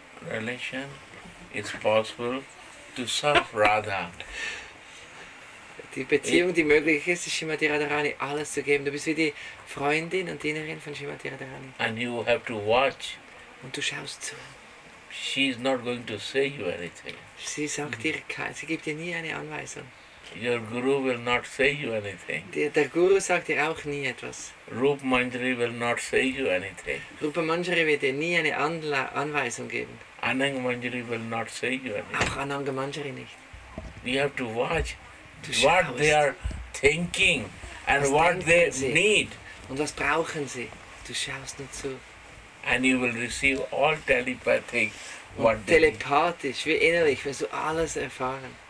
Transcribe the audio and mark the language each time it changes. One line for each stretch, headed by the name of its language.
English: Relation is possible to serve Radha.
German: Die Beziehung, die möglich ist, ist Srimati Radharani alles zu geben. Du bist wie die Freundin und Dienerin von Srimati Radharani.
English: And you have to watch.
German: Und du schaust zu.
English: She is not going to say you anything.
German: Sie sagt dir, sie gibt dir nie eine Anweisung.
English: Your guru will not say you anything.
German: Der Guru sagt dir auch nie etwas.
English: Rup Manjari will not say you anything.
German: Rupa Manjari wird dir nie eine Anweisung geben.
English: Anang Manjari will not say you anything.
German: Auch Anang Manjari nicht.
English: You have to watch what they are thinking and what they need.
German: Und was brauchen sie? Du schaust nur zu.
English: And you will receive all telepathic what they
German: telepathisch, wie innerlich, wirst du alles erfahren.